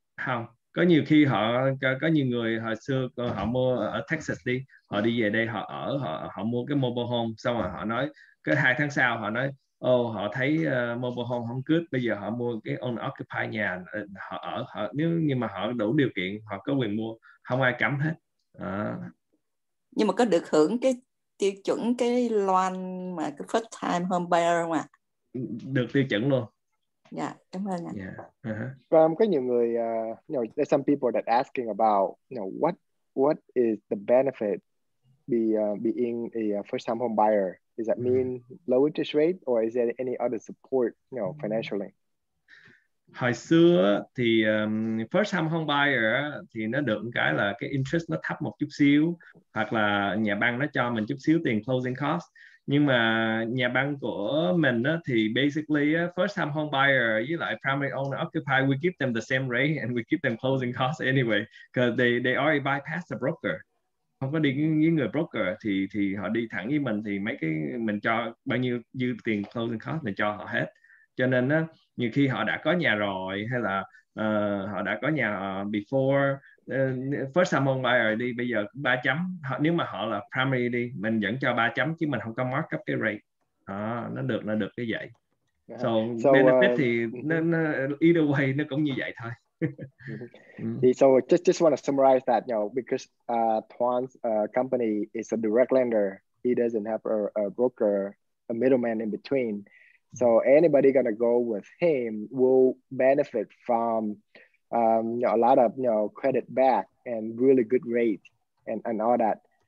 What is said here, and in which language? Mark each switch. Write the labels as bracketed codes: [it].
[vi] Không, có nhiều khi họ có nhiều người hồi xưa họ mua ở Texas đi, họ đi về đây họ ở, họ mua cái mobile home xong rồi họ nói cái 2 tháng sau họ nói họ thấy mobile home không good, bây giờ họ mua cái owner occupy nhà họ ở, họ nếu như mà họ đủ điều kiện họ có quyền mua, không ai cấm hết. Nhưng mà có được hưởng cái tiêu chuẩn cái loan mà cái first time home buyer không ạ? Được tiêu chuẩn luôn. Dạ, cảm ơn ạ. Có nhiều người [en] you know, there's some people that asking about you know what is the benefit being a first time home buyer. Does that mean low interest rate or is there any other support, you know, financially? [vi] Hồi xưa thì first time home buyer thì nó được cái là cái interest nó thấp một chút xíu, hoặc là nhà băng nó cho mình chút xíu tiền closing cost. Nhưng mà nhà băng của mình thì [en] basically first time home buyer [vi] với lại [en] primary owner occupier, we give them the same rate and we give them closing cost anyway because they already bypass the broker. [vi] Không có đi với người broker thì họ đi thẳng với mình, thì mấy cái mình cho bao nhiêu dư tiền closing cost mình cho họ hết. Cho nên á, nhiều khi họ đã có nhà rồi hay là họ đã có nhà before first time home buyer đi, bây giờ 3 chấm. Nếu mà họ là primary đi, mình vẫn cho 3 chấm chứ mình không có mark up cái rate. Nó được cái vậy. So benefit thì nó [en] either way [vi] nó cũng như vậy thôi. [en] So just want to summarize that, you know, because Thuan's company is a direct lender. He doesn't have a broker, a middleman in between. So anybody gonna go with him will benefit from you know, a lot of you know credit back and really good rate and all that.